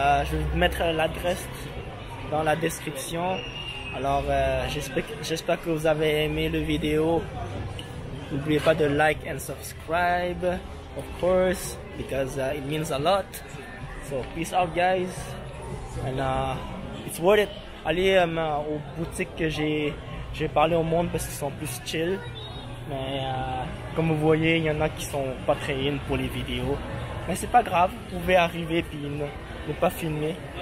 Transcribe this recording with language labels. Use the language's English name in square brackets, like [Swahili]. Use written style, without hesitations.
[French] Je vais vous mettre l'adresse dans la description. Alors, j'espère que vous avez aimé la vidéo. N'oubliez pas de [English] like and subscribe, of course, because it means a lot. So, peace out, guys. And it's worth it. [French] Allez aux boutiques que j'ai parlé au monde parce qu'ils sont plus chill. Mais comme vous voyez, il y en a qui sont pas très in pour les vidéos. Mais c'est pas grave, vous pouvez arriver et ne pas filmer.